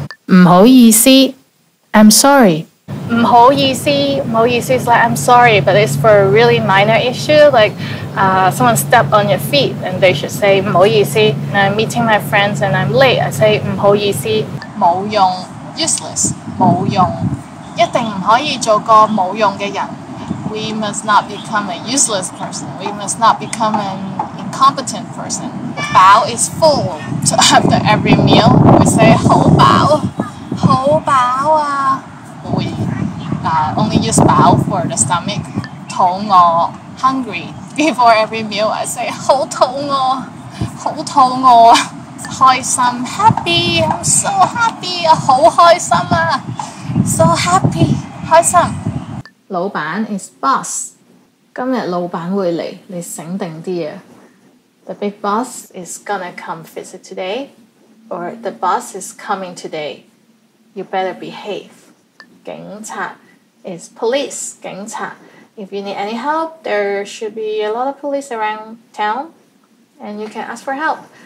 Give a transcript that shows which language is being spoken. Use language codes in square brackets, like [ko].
[yue] 唔好意思, [en] I'm sorry. 唔好意思, 不好意思 is like I'm sorry, but it's for a really minor issue, like someone stepped on your feet and they should say 不好意思. And I'm meeting my friends and I'm late, I say 不好意思. [yue] 冇用, useless, 冇用. 一定不可以做个冇用的人. [en] We must not become a useless person. We must not become an incompetent person. Bao is full. So after every meal, we say 好饱. [yue] 好饱啊. [en] We only use bao for the stomach. [yue] 肚饿, [en] hungry. Before every meal, I say [yue] 好肚饿. 好肚饿. [en] 开心, happy. I'm so happy. [yue] 好开心啊. [en] So happy. [yue] 开心. [en] 老闆 is boss. [yue] 今天老闆會來, 你醒定一點啊。 [en] The big boss is gonna come visit today. or the bus is coming today. You better behave. 警察 is police. 警察. If you need any help, there should be a lot of police around town and you can ask for help.